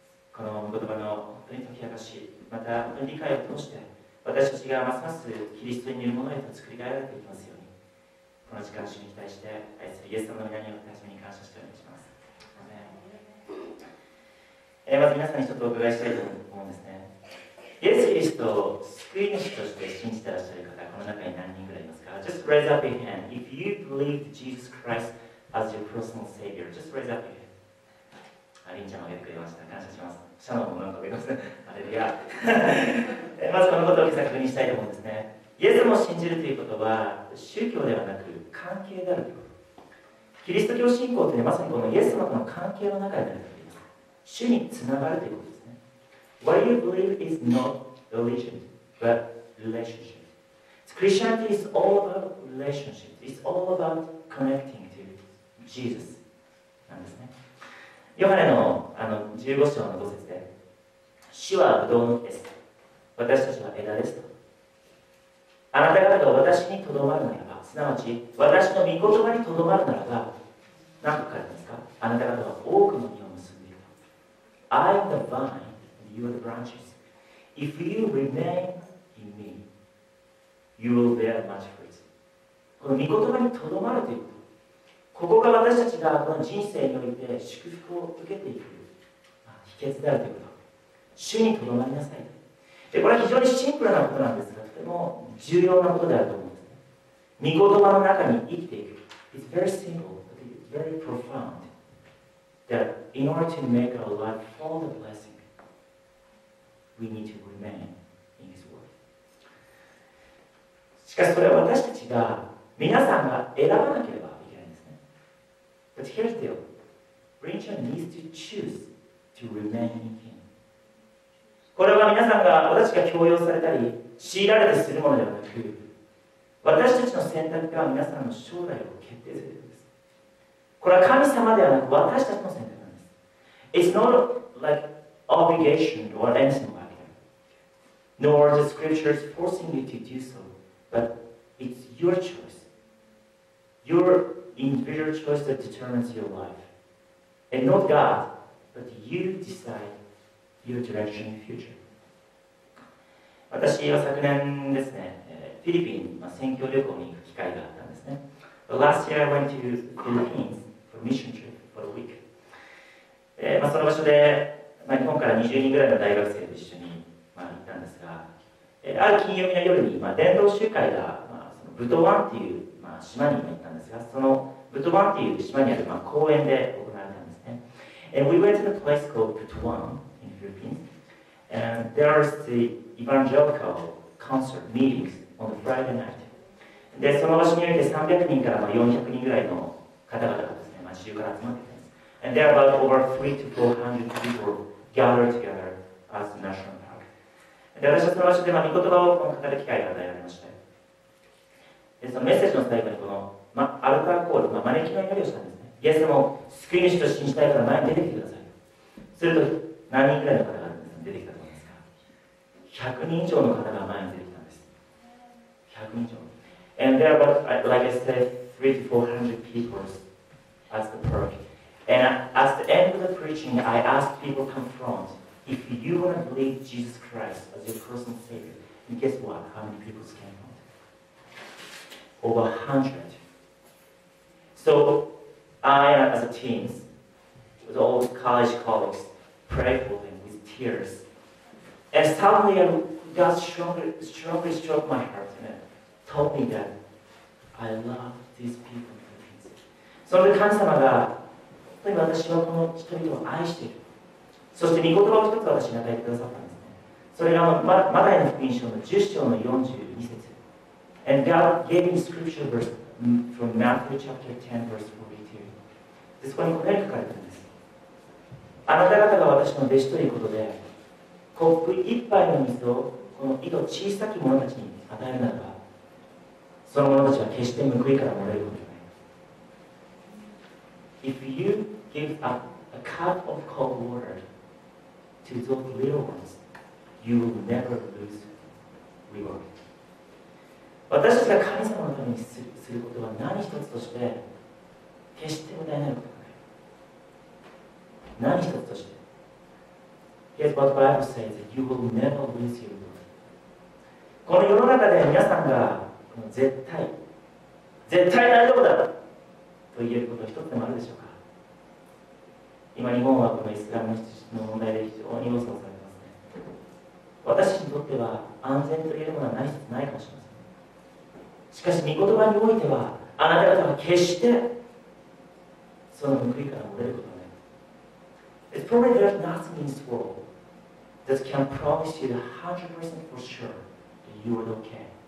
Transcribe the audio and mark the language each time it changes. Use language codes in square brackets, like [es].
[ja] この御言葉の本当に解き明かし、また理解を通して私たちがますますキリストに似るものへと作り変えられていきますように、この時間主に期待して愛するイエス様の皆によって初めに感謝しておりします。まず皆さんにちょっとお伺いしたいと思うんですね。イエスキリストを救い主として信じてらっしゃる方、この中に何人ぐらいいますか？ [en] Just raise up your hand if you believe Jesus Christ as your personal savior. Just raise up your hand. [ja] あ、リンちゃんも挙げてくれました。感謝します。シャノンもなんか挙げますね。アレルヤ。まずこのことを確認したいと思うんですね。イエス様を信じるということは宗教ではなく関係であるということ。キリスト教信仰というのはまさにこのイエス様との関係の中であると言います。主につながるということですね。 [en] What you believe is not religion but relationship. Christianity is all about relationship. It's all about connecting to Jesus [ja] なんですね。ヨハネ の15章の5節で、主はブドウの木です、私たちは枝ですと。あなた方が私にとどまるならば、すなわち私の御言葉にとどまるならば、何と書いてますか？あなた方は多くの実を結んでいると。 [en] I am the vine and you are the branches. If you remain in me, you will bear much fruit. [ja] この御言葉にとどまるということ、ここが私たちがこの人生において祝福を受けていく秘訣であるということ。主にとどまりなさい。で、これは非常にシンプルなことなんですが、とても重要なことであると思うんですね。御言葉の中に生きていく。 [en] It's very simple, but it's very profound. That in order to make our life full of blessing, we need to remain in His word. [ja] しかしそれは私たちが、皆さんが選ばなければ、 [en] But here's the deal. Rinchen needs to choose to remain in him. [ja] 皆さんが私たちが強要されたり強いられてするものではなく、私たちの選択が皆さんの将来を決定するんです。これは神様ではなく私たちの選択なんです。 [en] It's not like obligation or anything like that, nor the scriptures forcing you to do so, but it's your choice, your individual choice that determines your life, and not God, but you decide your direction in the future. [ja] 私は昨年ですね、フィリピン、宣教旅行に行く機会があったんですね。 [en] But last year I went to Philippines for a mission trip for a week. [ja] その場所で、日本から20人ぐらいの大学生と一緒に、行ったんですが、ある金曜日の夜に、伝道集会が、そのブトワンという、島に行ったんですが、そのブトワンという島にある、公園で行われたんですね。 [en] And we went to the place called Butuan in Philippines. And there was the evangelical concert meetings on the Friday night. [ja] で、その場所において300人から400人ぐらいの方々がですね、自由から集まってきたんです。 [en] And there were over 300 to 400 peopregathered together as the national park. [ja] で、私はその場所で、御言葉を語る機会が与えられまして、で、そのメッセージの最後にこの、アルターコール、招きの祈りをしたんですね。イエス様を救い主と信じたい方、前に出てきてください。すると、何人くらいの方が出てきたと思いますか？ 100 人以上の方が前に出てきたんです。 100人以上。 [en] And there were, like I said, 300 to 400 people as the park. And at the end of the preaching, I asked people to confront if you want to believe Jesus Christ as your personal Savior. And guess what? How many people came out? Over 100. So I, as a team, with all the college colleagues, prayed for them with tears. And suddenly, God strongly struck my heart and told me that I love these people in Philippines. So the [ja] 神様が本当に私はこの人々を愛している。そして御言葉を一つ私に与えてくださったんですね。それがマタイの福音書の10章の42節。 [en] And God gave me scripture verse from Matthew chapter 10 verse 42. [ja] で、そこにこれが書かれているんです。あなた方が私の弟子ということで、コップ一杯の水をこの井戸小さき者たちに与えるならば、その者たちは決して報いからもらえること [en] If you give up a cup of cold water to those little ones, you will never lose reward. [ja] 私たちが神様のためにすることは何一つとして決して無駄になることはない。何一つとして。 [en] Here's what the Bible says, you will never lose your reward. [ja] この世の中で皆さんが絶対大丈夫だと言えること一つでもあるでしょうか。今日本はこのイスラムの問題で非常に予想されますね。私にとっては安全と言えるものは何一つないかもしれません。しかし御言葉においてはあなた方は決してその報いから漏れることはない。 [en] It's probably there's nothing in this world that can promise you 100% for sure that you are okay.